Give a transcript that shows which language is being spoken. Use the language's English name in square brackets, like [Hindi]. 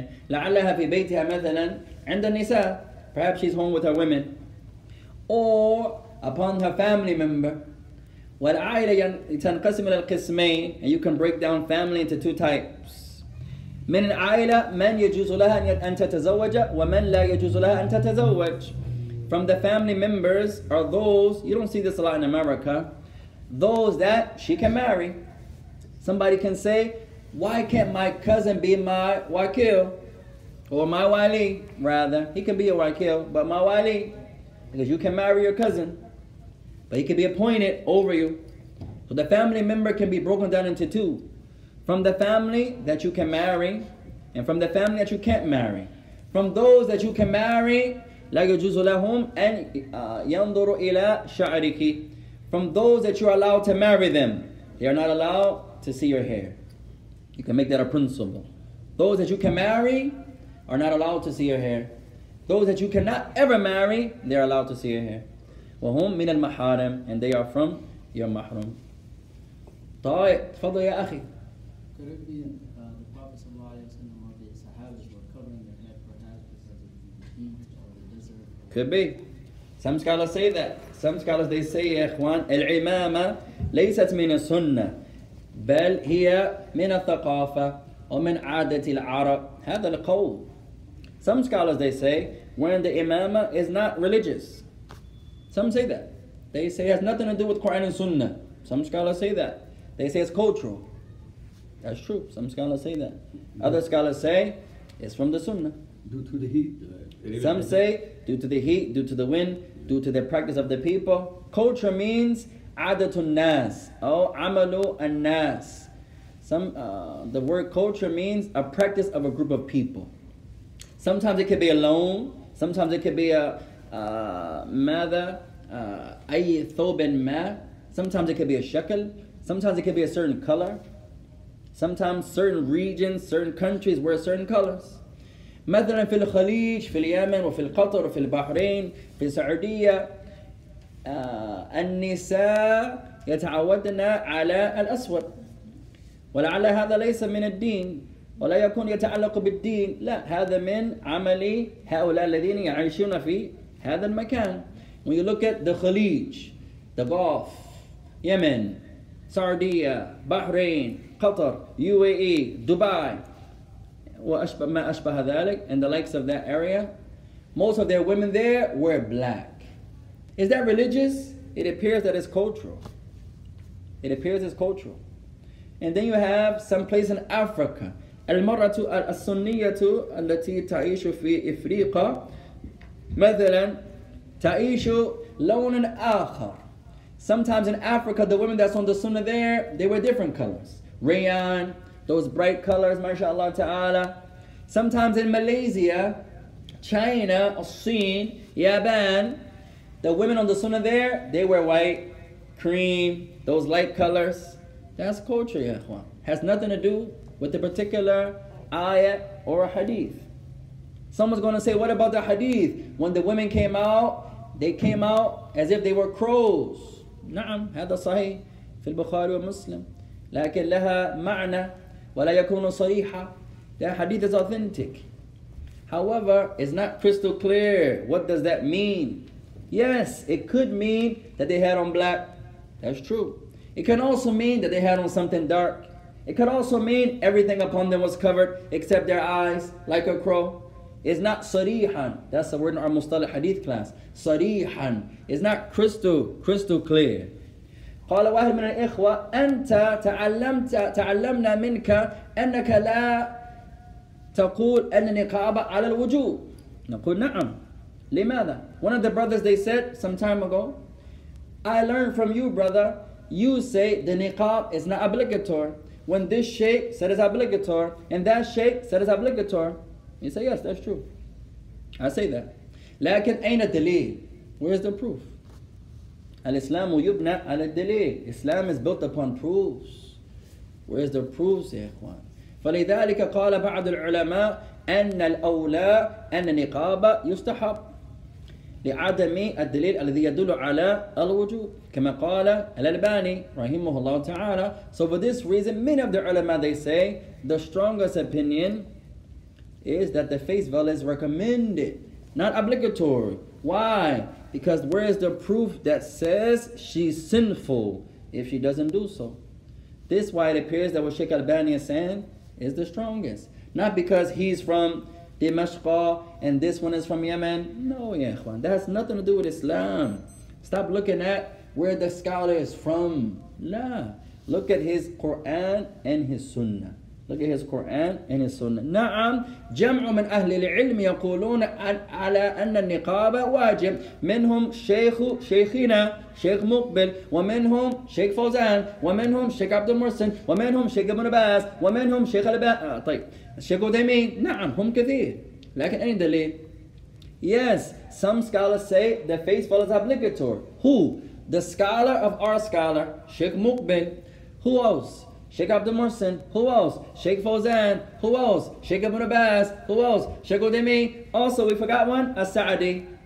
[Arabic] لعلها في بيتها مثلا عند النساء. [English] Perhaps she's home with her women. Or upon her family member. [Arabic] والعائلة تنقسم إلى القسمين. [English] And you can break down family into two types. [Arabic] من العائلة من يجوز لها أن تتزوج ومن لا يجوز لها أن تتزوج. [English] From the family members are those, you don't see this a lot in America, those that she can marry. Somebody can say, why can't my cousin be my wakil? Or my wali, rather. He can be a wakil, but my wali. Because you can marry your cousin, but he can be appointed over you. So the family member can be broken down into two. From the family that you can marry, and from the family that you can't marry. From those that you can marry, [Arabic] لا يجوز لهم أن ينظروا إلى شعرك. [English] From those that you are allowed to marry them, they are not allowed to see your hair. You can make that a principle. Those that you can marry are not allowed to see your hair. Those that you cannot ever marry, they are allowed to see your hair. [Arabic] وَهُمْ مِنَ الْمَحَارِمِ [English] And they are from your mahram. [Arabic] طائع تفضل يا أخي. [English] Could be. Some scholars say that. Some scholars, they say, [Arabic] يا إخوان, العمامة ليست من السنة بل هي من الثقافة ومن عادة العرب. هذا القول. [English] Some scholars, they say, wearing the imamah is not religious. Some say that. They say it has nothing to do with Quran and Sunnah. Some scholars say that. They say it's cultural. That's true. Some scholars say that. Other scholars say it's from the Sunnah. Due to the heat. Some say due to the heat, due to the wind, due to the practice of the people. Culture means [Arabic] adatun nas. Oh, amalu an nas. [English] The word culture means a practice of a group of people. Sometimes it could be alone. Sometimes it could be a mather, ay thobin ma. Sometimes it could be a shakal. Sometimes it could be a certain color. Sometimes certain regions, certain countries wear certain colors. [Arabic] مثلا في الخليج في اليمن وفي القطر وفي البحرين في السعودية النساء يتعودن على الأسود ولعل هذا ليس من الدين ولا يكون يتعلق بالدين لا هذا من عمل هؤلاء الذين يعيشون في هذا المكان. [English] When you look at the Khalij, the Gulf, Yemen, Saudi, Bahrain, Qatar, UAE, Dubai, [Arabic] وأشبه ما أشبه ذلك, [English] and the likes of that area, most of their women there wear black. Is that religious? It appears that it's cultural. It appears it's cultural. And then you have some place in Africa, [Arabic] المرأة السنية التي تعيش في إفريقيا مثلا تعيش لون آخر. [English] Sometimes in Africa, the women that's on the sunnah there, they wear different colors. Rayon, those bright colors, mashallah ta'ala. Sometimes in Malaysia, China, الصين, Yaban, the women on the sunnah there, they wear white, cream, those light colors. That's culture, [Arabic] ya ikhwan. [English] Has nothing to do with the particular ayah or a hadith. Someone's going to say, what about the hadith? When the women came out, they came out as if they were crows. [Arabic] نعم هذا صحيح في البخاري ومسلم لكن لها معنى ولا يكون صريحة. [English] That hadith is authentic. However, it's not crystal clear. What does that mean? Yes, it could mean that they had on black. That's true. It can also mean that they had on something dark. It could also mean everything upon them was covered except their eyes, like a crow. It's not sarihan. That's the word in our mustalah hadith class. Sarihan. It's not crystal clear. [Arabic] قال واحد من الإخوة أنت تعلمنا منك أنك لا تقول أن النقاب على الوجوه. نقول نعم. لماذا? [English] One of the brothers, they said some time ago, I learned from you, brother, you say the niqab is not obligatory. When this sheikh said it's obligatory and that sheikh said it's obligatory, he said, yes, that's true. I say that. [Arabic] لكن أين الدليل? [English] Where's the proof? [Arabic] الإسلام يبنى على الدليل. [English] Islam is built upon proofs. Where's the proofs, [Arabic] يا إخوان? فلذلك قال بعض العلماء أن الأولى أن النقاب يستحب لعدم الدليل الذي يدل على الوجوب كما قال الألباني رحمه الله تعالى. [English] So for this reason, many of the ulama, they say, the strongest opinion is that the face veil is recommended, not obligatory. Why? Because where is the proof that says she's sinful if she doesn't do so? This is why it appears that what Sheikh Albani is saying is the strongest. Not because he's from Dimashq and this one is from Yemen. No, [Arabic] ya ikhwan. [English] That has nothing to do with Islam. Stop looking at where the scholar is from. No. Look at his Quran and his Sunnah. Look at his Quran and his Sunnah. [Arabic] نعم جمع من أهل العلم يقولون على أن النقاب واجب منهم شيخنا شيخ مقبل ومنهم شيخ فوزان ومنهم شيخ عبد المرسن ومنهم شيخ ابن باز ومنهم شيخ طيب شيخ ديمين. نعم هم كثير لكن أين دليل? [English] Yes, some scholars say the faithful is obligatory. Who? The scholar of our scholar, Sheikh Muqbil. Who else? Sheikh Abdul Mohsen, who else? Sheikh Fawzan, who else? Sheikh Ibn Abbas, who else? Sheikh Udemi, also we forgot one, As-Sa'di.